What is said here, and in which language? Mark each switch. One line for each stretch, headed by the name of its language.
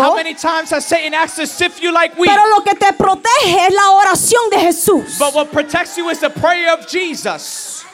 English: How many times has Satan asked to sift you like wheat?
Spanish: Pero lo que te protege es la oración de Jesús.
English: But what protects you is the prayer of Jesus.